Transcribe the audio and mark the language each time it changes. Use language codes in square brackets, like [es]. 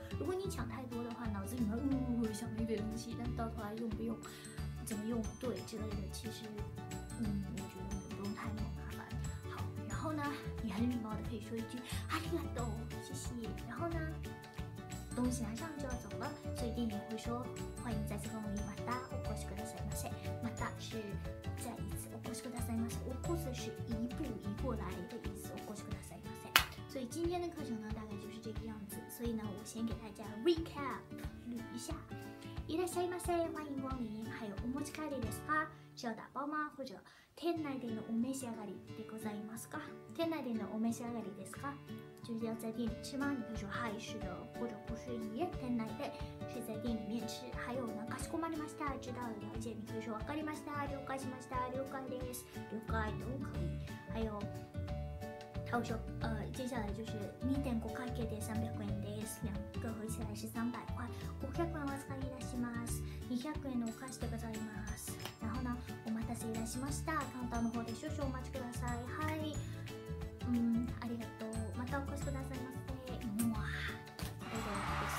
[zh] 如果你想太多的话，脑子里面想那个东西，但到头来用不用，怎么用对之类的，其实。我觉得不用太那么麻烦。好，然后呢，你很礼貌的可以说一句 [ja] “ありがとう”， [zh] 谢谢。然后呢，东西拿上就要走了，所以店员会说“欢迎再次光临， [ja] またお越しくださいませ”。 [zh] また是再一次， [ja] お越しくださいませ。 [zh] お越し是一步一过来的意思， [ja] お越しくださいませ。 [zh] 所以今天的课程呢，大概就是这个样子。所以呢，我先给大家 [en] recap [zh] 捋一下。 [ja] いらっしゃいませ、 [zh] 欢迎光临。还有 [ja] お持ち帰りですか？ [zh] 是要打包吗？ [ja] 或者店内でのお召し上がりでございますか？店内でのお召し上がりですか？ [zh] 就是要在店里吃吗？你可以说 [ja] はい、 [zh] 是的，或者不是 [ja] いえ、店内で [zh] 是在店里面吃。还有呢、 [ja] かしこまりました、 [zh] 知道了、了解。你可以说 [ja] わかりました、了解しました、了解です、 [zh] 了解都可以。还有他会说，接下来就是 [ja] 2.5かけて300円です， [zh] 两个合起来是300块。 [ja] 500円お預かりいたします。200円のお返しでございます。 [zh] 然后呢， [ja] お待たせいたしました。カウンターの方で少々お待ちください。はい。ありがとう。またお越しくださいませ。もう、これで終わりです。